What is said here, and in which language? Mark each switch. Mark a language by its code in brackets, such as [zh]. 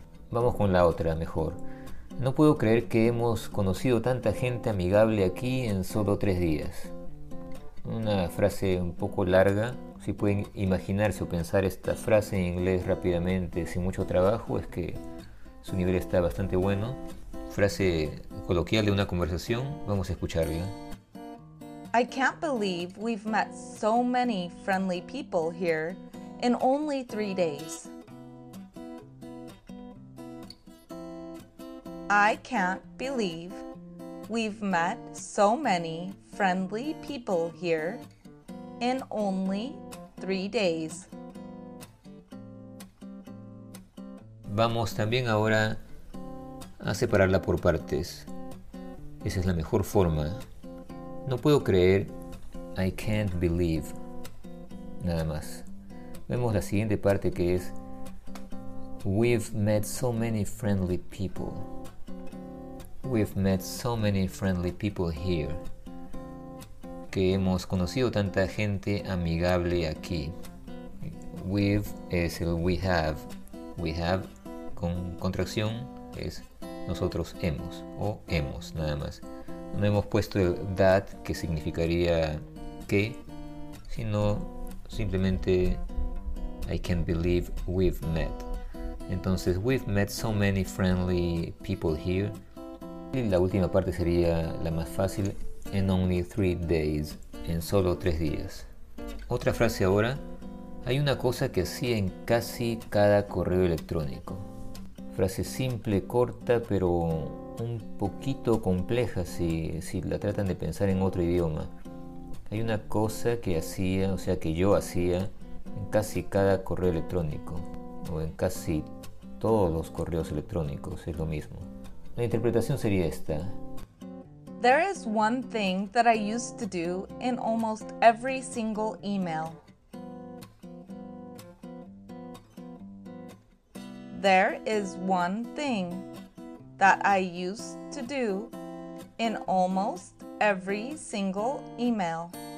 [es] Vamos con la otra mejor. No puedo creer que hemos conocido tanta gente amigable aquí en solo 3 días. Una frase un poco larga. Si pueden imaginarse o pensar esta frase en inglés rápidamente sin mucho trabajo, es que su nivel está bastante bueno. Frase coloquial de una conversación. Vamos a escucharla. [en] I can't believe we've met so many friendly people here in only 3 days. I can't believe we've met so many friendly people here in only 3 days. [es] Vamos también ahora a separarla por partes. Esa es la mejor forma. No puedo creer, [en] I can't believe, [es] nada más. Vemos la siguiente parte que es, [en] we've met so many friendly people. We've met so many friendly people here. [es] Que hemos conocido tanta gente amigable aquí. We've es el we have. [en] We have [es] con contracción es nosotros hemos o hemos, nada más. No hemos puesto el that, que significaría que, sino simplemente [en] I can't believe we've met. Entonces, we've met so many friendly people here. [es] Y la última parte sería la más fácil, [en] in only 3 days, [es] en solo 3 días. Otra frase ahora, hay una cosa que hacía en casi cada correo electrónico. Frase simple, corta, pero un poquito compleja si la tratan de pensar en otro idioma. Hay una cosa que hacía, o sea que yo hacía, en casi cada correo electrónico, o en casi todos los correos electrónicos, es lo mismo. La interpretación sería esta. [en] There is one thing that I used to do in almost every single email. There is one thing that I used to do in almost every single email.